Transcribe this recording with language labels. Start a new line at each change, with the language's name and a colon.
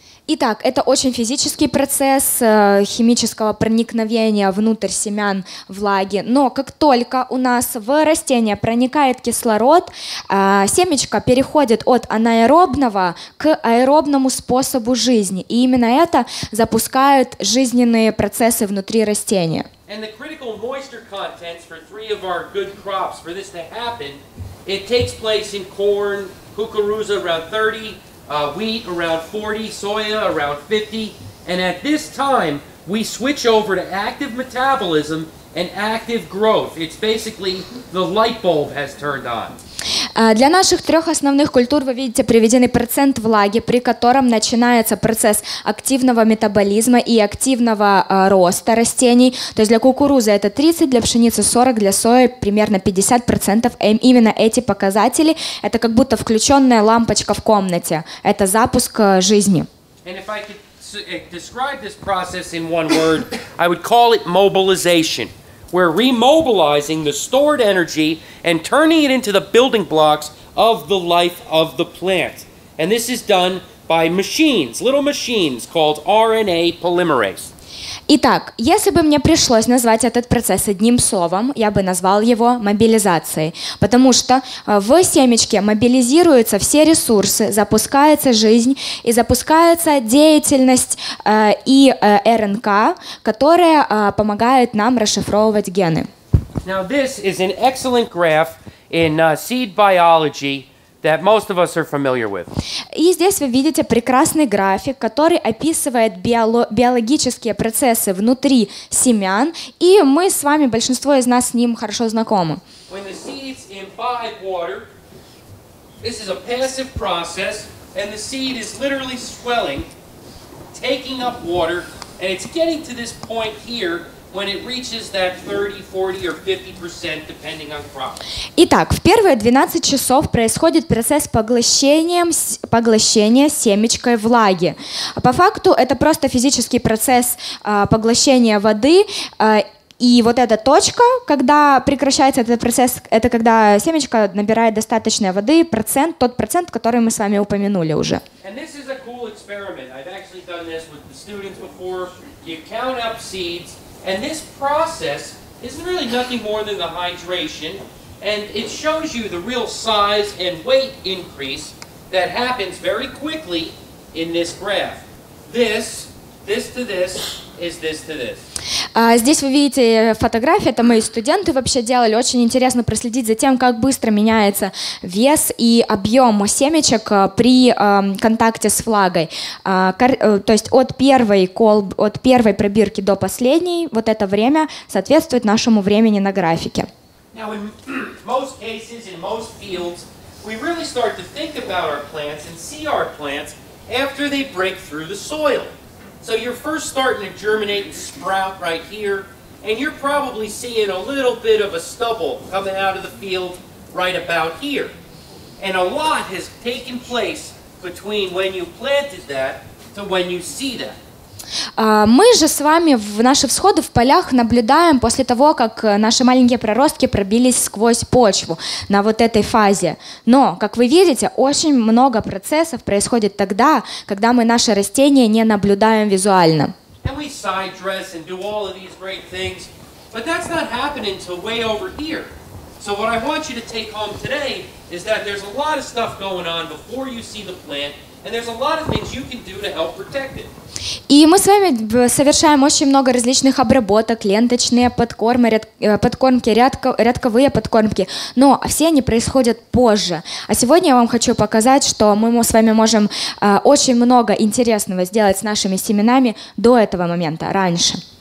Russian: Итак, это очень физический процесс химического проникновения внутрь семян влаги. Но как только у нас в растение проникает кислород, семечко переходит от анаэробного к аэробному способу жизни. И именно это запускает жизненные процессы внутри растения.
English: And the critical moisture contents for three of our good crops, for this to happen, it takes place in corn, cucurusa around 30, wheat around 40, soya around 50, and at this time we switch over to active metabolism and active growth. It's basically the light bulb has turned on.
Russian: Для наших трех основных культур, вы видите, приведены процент влаги, при котором начинается процесс активного метаболизма и активного роста растений. То есть для кукурузы это 30, для пшеницы 40, для сои примерно 50%. Именно эти показатели, это как будто включенная лампочка в комнате. Это запуск жизни.
English: And if I could describe this process in one word, I would call it mobilization. We're remobilizing the stored energy and turning it into the building blocks of the life of the plant. And this is done by machines, little machines called RNA polymerase.
Russian: Итак, если бы мне пришлось назвать этот процесс одним словом, я бы назвал его мобилизацией. Потому что в семечке мобилизируются все ресурсы, запускается жизнь и запускается деятельность и РНК, которая помогает нам расшифровывать гены.
English: Now this is an excellent graph in seed biology that most of us are familiar with.
Russian: И здесь вы видите прекрасный график, который описывает биологические процессы внутри семян, и мы с вами, большинство из нас, с ним хорошо знакомы.
English: When the seeds imbibe water, this is a passive process, and the seed is literally swelling, taking up water, and it's getting to this point here, when it reaches that 30, 40 or 50% depending on crop.
Russian: Итак, в первые 12 часов происходит процесс поглощения семечкой влаги. По факту это просто физический процесс поглощения воды, и вот эта точка, когда прекращается этот процесс, это когда семечко набирает достаточной воды, процент, тот процент, который мы с вами упомянули уже.
English: And this is a cool experiment. I've actually done this with the students before. You count up seeds. And this process is really nothing more than the hydration, and it shows you the real size and weight increase that happens very quickly in this graph. This to this is this to this.
Russian: Здесь вы видите фотографии, это мои студенты вообще делали. Очень интересно проследить за тем, как быстро меняется вес и объем семечек при контакте с влагой. То есть от первой пробирки до последней, вот это время соответствует нашему времени на графике.
English: Now in most cases, in most fields, we really start to think about our plants and see our plants after they break through the soil. So you're first starting to germinate and sprout right here, and you're probably seeing a little bit of a stubble coming out of the field right about here. And a lot has taken place between when you planted that to when you see that.
Russian: Мы же с вами в наши всходы в полях наблюдаем после того, как наши маленькие проростки пробились сквозь почву на вот этой фазе. Но, как вы видите, очень много процессов происходит тогда, когда мы наши растения не наблюдаем визуально.
English: And we side-dress and do all of these great things, but that's not happening until way over here. So what I want you to take home today is that there's a lot of stuff going on before you see the plant, and there's a lot of things you can do to help protect it.
Russian: И мы с вами совершаем очень много различных обработок, ленточные подкормы, подкормки, рядковые подкормки, но все они происходят позже. А сегодня я вам хочу показать, что мы с вами можем очень много интересного сделать с нашими семенами до этого момента, раньше.